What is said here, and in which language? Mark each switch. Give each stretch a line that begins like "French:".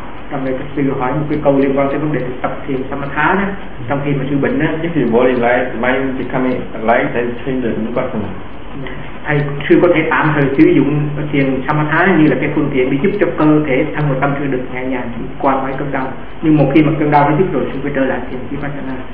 Vietnamese: Trong đây các sư hỏi một cái câu liên quan tới vấn đề tập thiền samatha đó, trong khi mà sư bệnh á,
English: if your body light, mind becoming light and changing the vipassana,
Vietnamese: thầy sư có thể tạm thời sử dụng thiền samatha như là cái phương tiện để giúp cho cơ thể thân và tâm sư được nhẹ nhàng qua mấy cơn đau, nhưng một khi mà cơn đau nó dứt rồi sư phải trở lại thiền vipassana.